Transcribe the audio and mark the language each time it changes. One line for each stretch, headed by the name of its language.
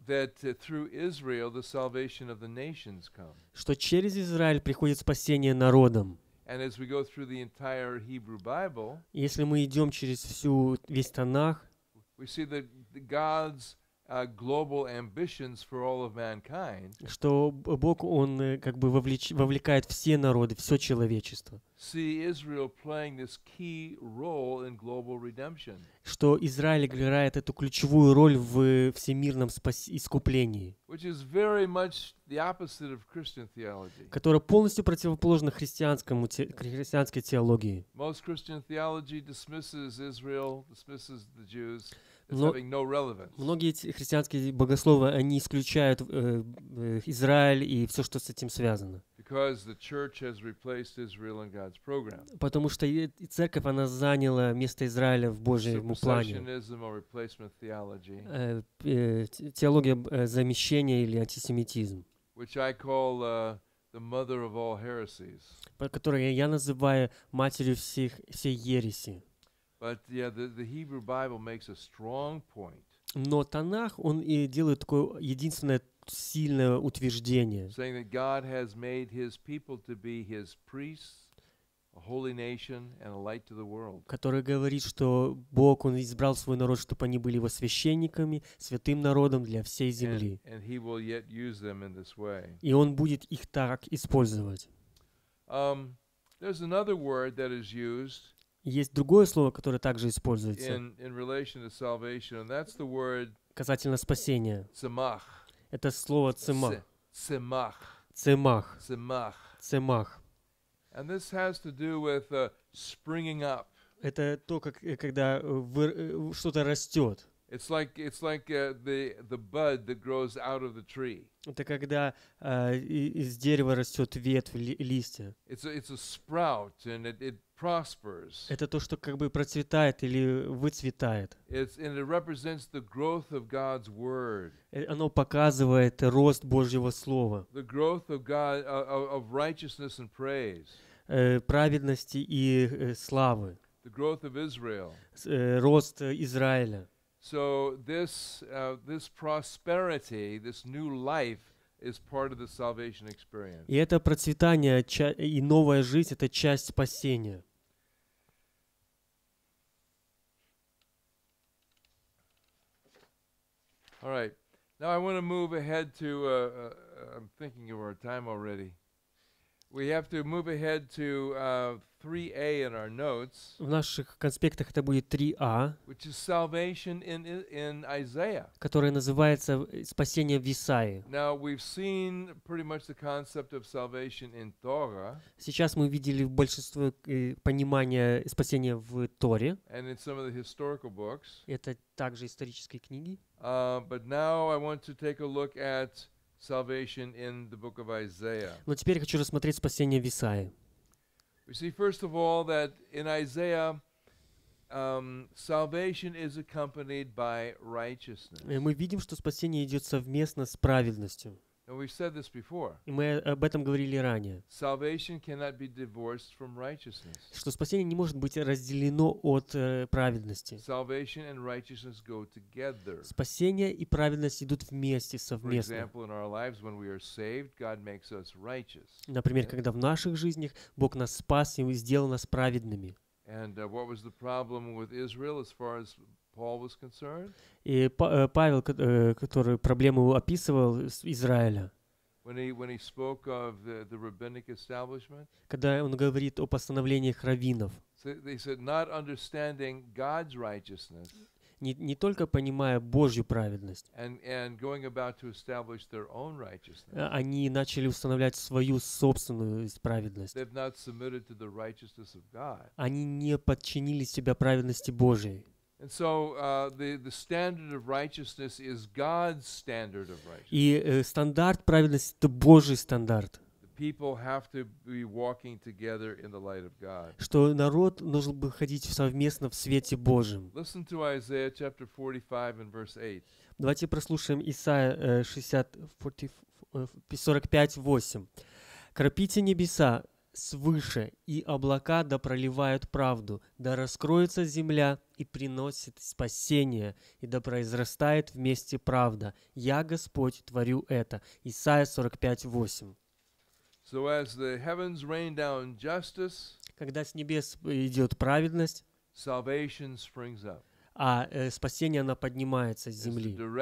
English: That through Israel the salvation of the nations comes.
Russian: Что через Израиль приходит спасение народам.
English: And as we go through the entire Hebrew Bible,
Russian: если мы идем через всю весь Танах,
English: we see that God's global ambitions for all of mankind.
Russian: Что Бог, он как бы вовлекает все народы, все человечество.
English: See Israel playing this key role in global redemption.
Russian: Что Израиль играет эту ключевую роль в всемирном искуплении.
English: Which is very much the opposite of Christian theology.
Russian: Которая полностью противоположна христианской теологии.
English: Most Christian theology dismisses Israel, dismisses the Jews.
Russian: Многие христианские богословы, они исключают Израиль и все, что с этим связано.
English: Because the church has replaced Israel in God's program.
Russian: Потому что церковь, она заняла место Израиля в Божьем плане.
English: Supersessionism or replacement theology.
Russian: Теология замещения или антисемитизм.
English: Which I call the mother of all heresies.
Russian: Которую я называю матерью всей ереси.
English: But yeah, the Hebrew Bible makes a strong point.
Russian: Но Танах, он и делает такое единственное сильное утверждение.
English: Saying that God has made his people to be his priests, a holy nation, and a light to the world.
Russian: Который говорит, что Бог, он избрал свой народ, чтобы они были его священниками, святым народом для всей земли.
English: And he will yet use them in this way.
Russian: И он будет их так использовать.
English: There's another word that is used.
Russian: Есть другое слово, которое также используется.
English: In relation to salvation, and that's the word.
Russian: Касательно спасения.
Hebrew: Цемах.
Russian: Это слово цемах.
Hebrew: Цемах. Цемах. Цемах. Цемах.
English: And this has to do with springing up.
Russian: Это то, как когда что-то растет.
English: It's like the bud that grows out of the tree.
Russian: Это когда из дерева растет ветвь, листья.
English: It's a sprout and it prospers.
Russian: Это то, что как бы процветает или выцветает.
English: And it represents the growth of God's word.
Russian: Оно показывает рост Божьего слова.
English: The growth of God of righteousness and praise.
Russian: Праведности и славы.
English: The growth of Israel.
Russian: Рост Израиля.
English: So this prosperity, this new life is part of the salvation experience.
Russian: И это процветание и новая жизнь — это часть спасения.
English: All right. Now I want to move ahead to I'm thinking of our time already. We have to move ahead to 3A in our notes.
Russian: В наших конспектах это будет 3А.
English: Which is salvation in Isaiah.
Russian: Которое называется спасение в Исаии.
English: Now we've seen pretty much the concept of salvation in Torah.
Russian: Сейчас мы видели большинство понимания спасения в Торе.
English: And in some of the historical books.
Russian: Это также исторические книги.
English: But now I want to take a look at salvation in the book of Isaiah.
Russian: Но теперь я хочу рассмотреть спасение в Исаии.
English: We see first of all that in Isaiah salvation is accompanied by righteousness.
Russian: И мы видим, что спасение идет совместно с праведностью.
English: And we've said this before.
Russian: И мы об этом говорили ранее.
English: Salvation cannot be divorced from righteousness.
Russian: Что спасение не может быть разделено от праведности.
English: Salvation and righteousness go together.
Russian: Спасение и праведность идут вместе, совместно.
English: For example, in our lives when we are saved, God makes us righteous.
Russian: Например, когда в наших жизнях Бог нас спас и сделал нас праведными.
English: And what was the problem with Israel as far as Paul was concerned?
Russian: И Павел, который проблему описывал с Израиля.
English: When he spoke of the rabbinic establishment.
Russian: Когда он говорит о постановлениях раввинов.
English: They said not understanding God's righteousness.
Russian: Не только понимая Божью праведность.
English: And going about to establish their own righteousness.
Russian: Они начали устанавливать свою собственную праведность.
English: They've not submitted to the righteousness of God.
Russian: Они не подчинили себя праведности Божьей.
English: And so the standard of righteousness is God's standard of righteousness.
Russian: И стандарт праведности — это Божий стандарт.
English: The people have to be walking together in the light of God.
Russian: Что народ должен бы ходить совместно в свете Божьем.
English: Listen to Isaiah chapter 45 and verse 8.
Russian: Давайте прослушаем Исаия 45:8. Крапите небеса свыше, и облака да проливают правду, да раскроется земля и приносит спасение, и да произрастает вместе правда. Я, Господь, творю это. Исаия 45:8.
English: So as the heavens rain down justice,
Russian: когда с небес идет праведность,
English: salvation springs up.
Russian: А спасение, оно поднимается с земли.